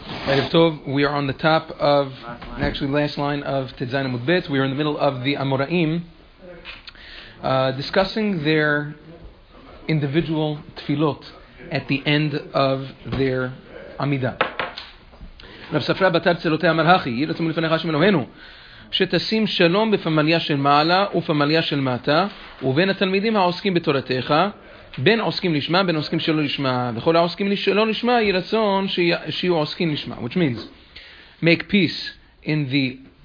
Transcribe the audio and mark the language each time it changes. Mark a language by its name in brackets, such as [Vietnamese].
[English] Erev Tov, we are on the top of, actually last line of Tzayin Amud Bet. We are in the middle of the Amoraim, discussing their individual tefillot at the end of their Amidah. [Hebrew] Rav Safra Batar Tzelotei Amar Hachi, Yiratzimu Lefanecha Hashem Elohenu, שתשים שלום בפמליה של מעלה ופמליה של מטה, ובין התלמידים העוסקים בתורתך, בין עוסקים לשמה, בין עוסקים שלא לשמה, וכל העוסקים שלא לשמה, יהיה רצון שיהיו עוסקים לשמה. [English] Which means, make peace in the...